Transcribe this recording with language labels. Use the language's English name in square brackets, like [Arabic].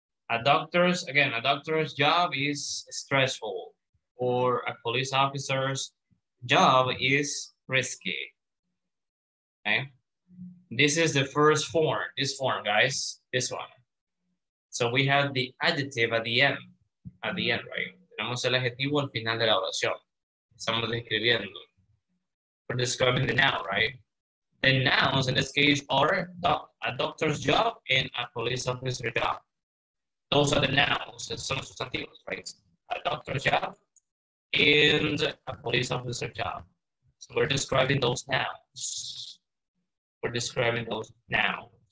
[English] A doctor's job is stressful, or a police officer's job is risky. Okay. This is the first form, this form, guys, this one. So we have the adjective at the end, right? [Spanish] Tenemos el adjetivo al final de la oración. Estamos describiendo. [English] We're describing the noun, right? The nouns in this case are a doctor's job and a police officer's job. Those are the nouns, [Spanish] son los sustantivos, [English] right? A doctor's job and a police officer's job. So we're describing those nouns. We're describing those nouns.